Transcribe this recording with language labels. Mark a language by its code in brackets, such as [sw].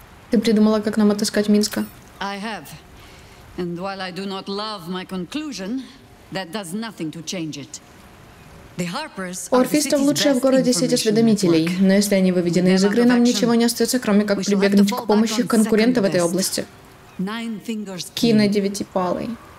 [ru] Ты придумала, как нам отыскать Минска? [en] I have. And while I do not love my conclusion, that does nothing to change it. [ru] У арфистов лучшее в городе сеть осведомителей, но если они выведены из игры, нам ничего не остается, кроме как прибегнуть к помощи конкурента в этой области. Кина Девятипалой.